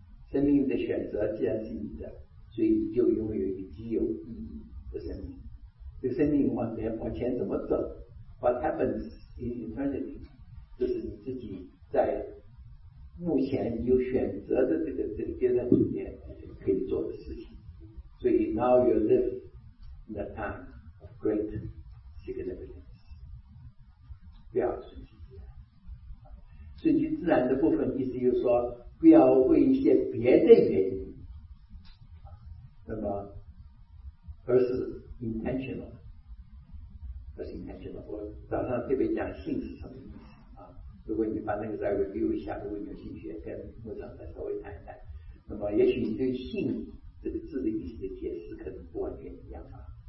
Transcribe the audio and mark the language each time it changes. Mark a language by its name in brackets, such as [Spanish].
[Chinese] 生命的选择既然是你的，所以你就拥有一个极有意义的生命。这个生命往前怎么走， [English] What happens in eternity， [Chinese] 就是你自己在目前你有选择的这个阶段里面可以做的事情。所以 [English] now you live in the time of great significance， [Chinese] 不要顺其自然。顺其自然的部分意思就是说不要为一些别的原因，那么而是 [English] intentional， [Chinese] 而是 intentional。我早上特别讲性是什么意思啊？如果你把那个再 review 一下，如果你有兴趣跟牧长再稍微谈一谈，那么也许你对性这个字的意思的解释可能不完全一样啊。